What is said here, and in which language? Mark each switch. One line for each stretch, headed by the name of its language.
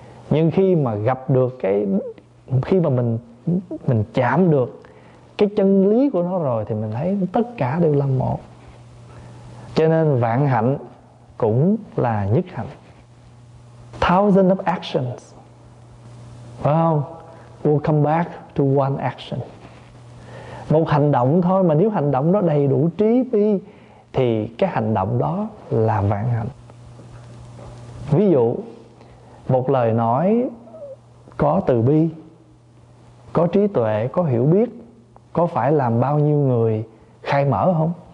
Vietnamese: Nhưng khi mà gặp được cái, khi mà mình chạm được cái chân lý của nó rồi thì mình thấy tất cả đều là một. Cho nên vạn hạnh cũng là nhất hạnh.
English: Thousand of actions,
Vietnamese: phải không?
English: We'll come back to one action.
Vietnamese: Một hành động thôi, mà nếu hành động đó đầy đủ trí bi thì cái hành động đó là vạn hạnh. Ví dụ một lời nói có từ bi, có trí tuệ, có hiểu biết, có phải làm bao nhiêu người khai mở không?